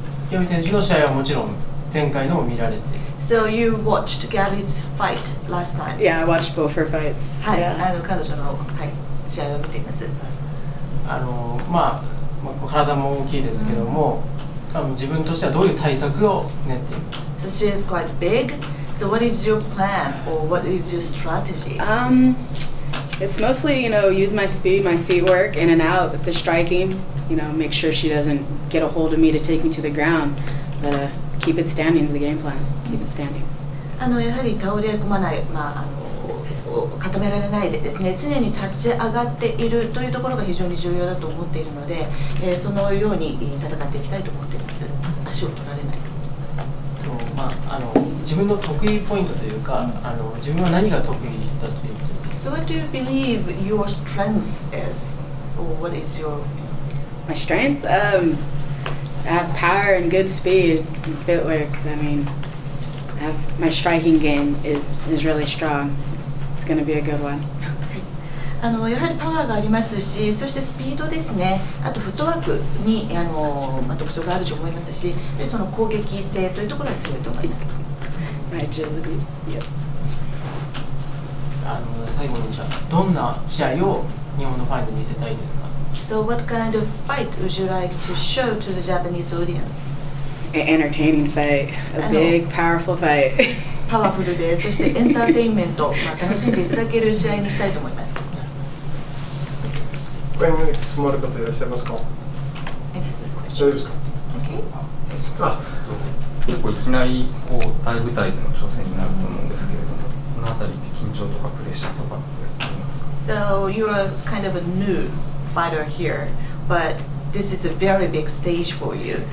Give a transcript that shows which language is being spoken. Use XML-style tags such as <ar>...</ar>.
<ja>ギャビ選手の試合はもちろん前回のも見られて。</ja> <en>So you watched Gabby's fight last time? Yeah, I watched both her fights.</en> <ja>はい、</ja> <en>yeah.</en> <ja>彼女の、はい、試合を見ています。まあ、まあ、体も大きいですけども、mm-hmm. 自分としてはどういう対策を練っているか。</ja> <en>So she is quite big. So what is your plan or what is your strategy? It's mostly, you know, use my speed, my feet work, in and out with the striking. You know, make sure she doesn't get a hold of me to take me to the ground. But, keep it standing is the game plan.</en> <ja>やはり倒れ込まない、まあ、固められないでですね、常に立ち上がっているというところが非常に重要だと思っているので、そのように戦っていきたいと思っています。足を取られない。そう、まあ、自分の得意ポイントというか、自分は何が得意だというか。</ja> <en>So what do you believe your strength is? Or what is your... My strength? I have power and good speed and footwork. I mean... My striking game is really strong. It's going to be a good one.</en> <ja>やはりパワーがありますし、そしてスピードですね。あとフットワークに特徴があると思いますし、でその攻撃性というところが強いと思います。</ja> <en>My agility. Yep.</en> <ja>最後にじゃあどんな試合を日本のファンに見せたいですか？</ja> <en>So what kind of fight would you like to show to the Japanese audience? An entertaining fight, a big, powerful fight.</en> <ja>Powerful で、そしてエンターテインメント、楽しんでいただける試合にしたいと思います。他に質問ある方いらっしゃいますか？大丈夫ですか？</ja> <en>Okay.</en> <ja>結構いきなり大舞台での挑戦になると思うんですけれども、そのあたりって緊張とかプレッシャーとかってありますか？</ja> <en>So you're kind of a new fighter here, but This is a very big stage for you.</en>